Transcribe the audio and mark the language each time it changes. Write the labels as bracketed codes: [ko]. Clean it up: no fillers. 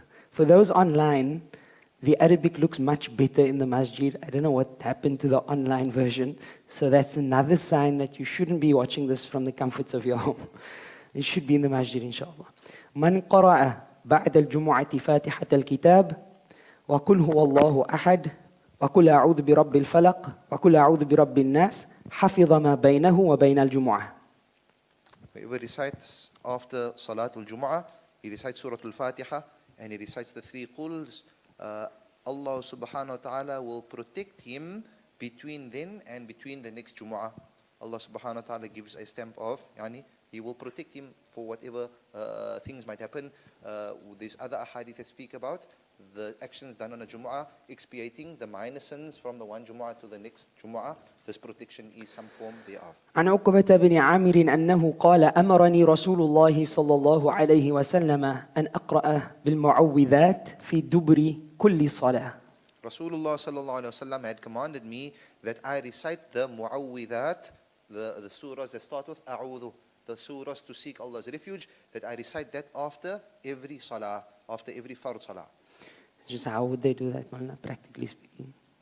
[en] For those online, the Arabic looks much better in the masjid. I don't know what happened to the online version. So that's another sign that you shouldn't be watching this from the comforts of your home. It should be in the masjid, inshallah. [ar] من قرأ بعد الجمعة فاتحة الكتاب وقل هو الله أحد وقل أعوذ برب الفلق وقل أعوذ برب الناس حفظ ما بينه وبين الجمعة. [en] Whoever recites after Salat al-Jum'ah, he recites Surah al-Fatiha, and he recites the three quls, Allah subhanahu wa ta'ala will protect him between then and between the next Jum'ah. Allah subhanahu wa ta'ala gives a stamp of, yani, he will protect him for whatever things might happen. There's other ahadith that speak about the actions done on a Jum'ah, expiating the minor sins from the one Jum'ah to the next Jum'ah. This protection is some form thereof. [ar] عن عقبة بن عامر أنه قال أمرني رسول الله صلى الله عليه وسلم أن أقرأ بالمعوذات في دبر كل صلاة. [en] رسول الله صلى الله عليه وسلم had commanded me that I recite the معوذات, the surahs that start with أعوذ, the surahs to seek Allah's refuge, that I recite that after every salah, after every fard salah. Just how would they do that, Malna, practically speaking?